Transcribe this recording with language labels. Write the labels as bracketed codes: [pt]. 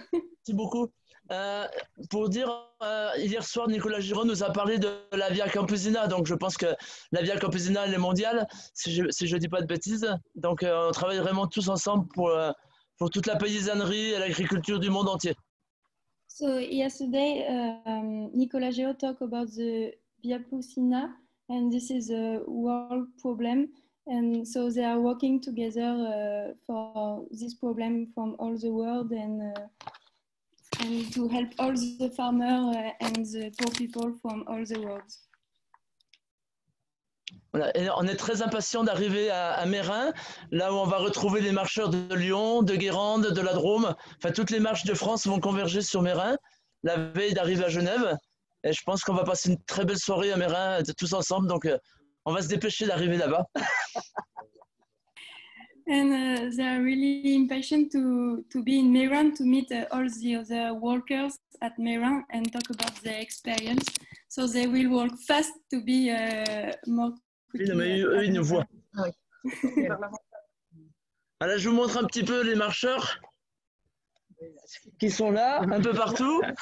[fr] Merci beaucoup. Pour dire, hier soir, Nicolas Giraud nous a parlé de la Via Campusina. Donc, je pense que la Via Campusina, elle est mondiale, si je ne dis pas de bêtises. Donc, on travaille vraiment tous ensemble pour toute la paysannerie et l'agriculture du monde entier. [en] So, yesterday, Nicolas Giraud talked about the Via Campusina, and this is a world problem. And so, they are working together for this problem from all the world and to help all the farmers and the poor people from all the world. [fr] Voilà, et on est très impatients d'arriver à Mérin, là où on va retrouver les marcheurs de Lyon, de Guérande, de la Drôme. Enfin, toutes les marches de France vont converger sur Mérin, la veille d'arriver à Genève. Et je pense qu'on va passer une très belle soirée à Mérin tous ensemble, donc on va se dépêcher d'arriver là-bas. [en] And they are really impatient to be in Mérin to meet all the other workers at Mérin and talk about their experience. So they will work fast to be more. [fr] Oui, non, mais eux, ils nous voient. Voilà, je vous montre un petit peu les marcheurs qui sont là, un peu partout.